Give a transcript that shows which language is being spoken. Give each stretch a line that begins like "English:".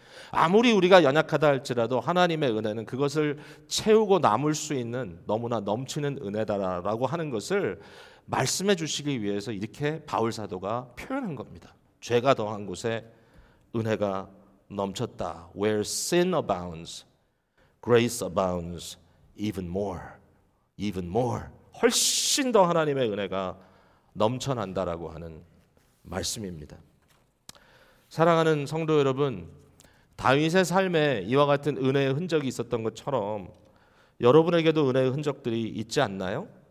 Korean: 아무리 우리가 연약하다 할지라도 하나님의 은혜는 그것을 채우고 남을 수 있는 너무나 넘치는 은혜다라고 하는 것을 말씀해 주시기 위해서 이렇게 바울사도가 표현한 겁니다. 죄가 더한 곳에 은혜가 넘쳤다.
English: Where sin abounds, grace abounds even more. Even more.
Korean: 훨씬 더 하나님의 은혜가 넘쳐난다라고 하는 말씀입니다. 사랑하는 성도 여러분, 다윗의 삶에 이와 같은 은혜의 흔적이 있었던 것처럼 여러분에게도 은혜의 흔적들이 있지 않나요?